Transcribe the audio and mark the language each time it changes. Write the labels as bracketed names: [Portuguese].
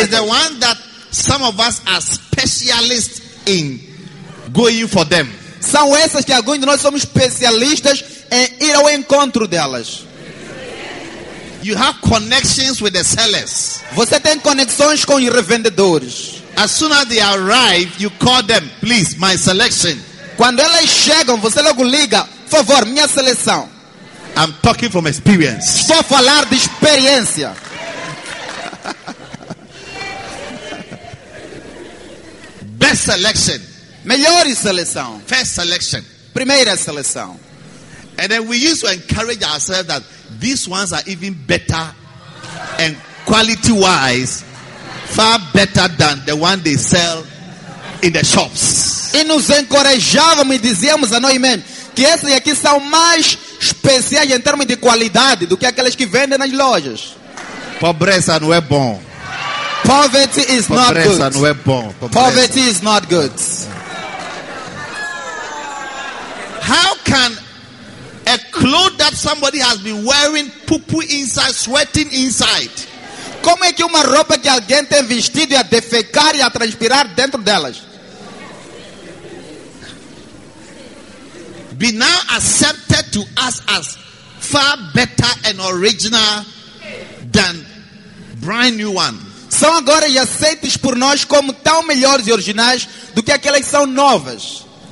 [English] Is the one that some of us are specialists in going for them. [Portuguese] São essas que alguns de nós somos especialistas em ir ao encontro delas. [English] You have connections with the sellers. [Portuguese] Você tem conexões com os revendedores. [English] As soon as they arrive, you call them, please, my selection. [Portuguese] Quando elas chegam, você logo liga, por favor, minha seleção. [English] I'm talking from experience. [Portuguese] Estou a falar de experiência. [English] Best selection. [Portuguese] Melhor seleção. [English] First selection. [Portuguese] Primeira seleção. [English] And then we used to encourage ourselves that these ones are even better and quality-wise, far better than the one they sell in the shops. [Portuguese] E nos encorajávamos e dizíamos a nós mesmos que esses aqui são mais especiais em termos de qualidade do que aqueles que vendem nas lojas. Pobreza não é bom. [English] Poverty is not good. [Portuguese] Pobreza não é bom. [English] Poverty is not good. How can a cloth that somebody has been wearing, poo-poo inside, sweating inside? [Portuguese] Como é que uma roupa que alguém tem vestido ia defecar e a transpirar dentro delas? [English] Be now accepted to us as far better and original than brand new one. [Portuguese] São agora e aceitos por nós como tão melhores e originais do que aquelas que são novas.